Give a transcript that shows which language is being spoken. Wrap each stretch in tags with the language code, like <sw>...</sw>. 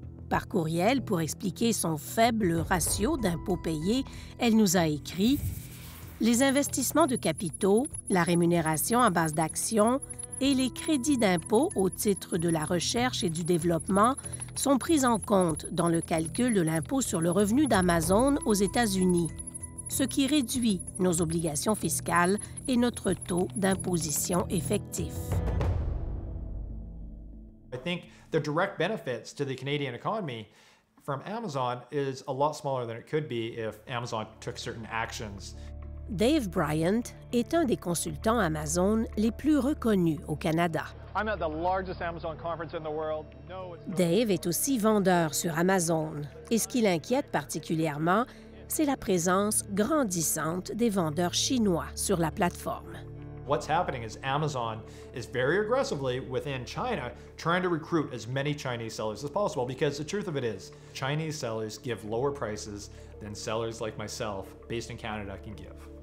<fr>Par courriel, pour expliquer son faible ratio d'impôts payés, elle nous a écrit « Les investissements de capitaux, la rémunération en base d'actions et les crédits d'impôt au titre de la recherche et du développement sont pris en compte dans le calcul de l'impôt sur le revenu d'Amazon aux États-Unis, ce qui réduit nos obligations fiscales et notre taux d'imposition effectif. »</fr> <en>I think the direct benefits to the Canadian economy from Amazon is a lot smaller than it could be if Amazon took certain actions.</en> <fr>Dave Bryant est un des consultants Amazon les plus reconnus au Canada.</fr> <en>I'm at the largest Amazon conference in the world.</en> <fr>Dave est aussi vendeur sur Amazon. Et ce qui l'inquiète particulièrement, c'est la présence grandissante des vendeurs chinois sur la plateforme.</fr> <en>What's happening is Amazon is very aggressively within China trying to recruit as many Chinese sellers as possible because the truth of it is Chinese sellers give lower prices than sellers like myself based in Canada can give.</en>